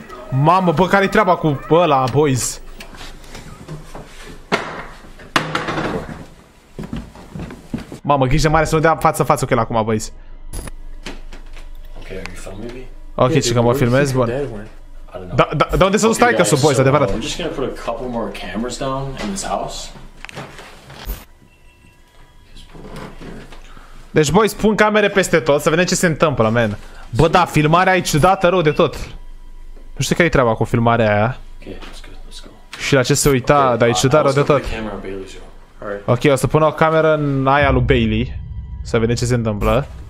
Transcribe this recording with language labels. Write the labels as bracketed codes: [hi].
[ro] Mamă, bă, care-i treaba cu ăla, boys? Mamă, grijă mare să nu dea față în față cu el acum, boys. [en] Ok, are you filming me? [ro] Ok, yeah, și că mă filmez, bun. Da, unde să nu stai, că sunt boys, adevărat. [en] I'm just gonna put a couple more cameras down in this house. [ro] Deci, boi, spun camere peste tot, să vedem ce se întâmplă, man. Bă, da, filmarea e ciudată rău de tot. Nu știu care-i treaba cu filmarea aia. Și la ce se uita, dar e ciudat rău de tot. Ok, o să pun o cameră în aia lui Bailey. Să vedem ce se întâmplă.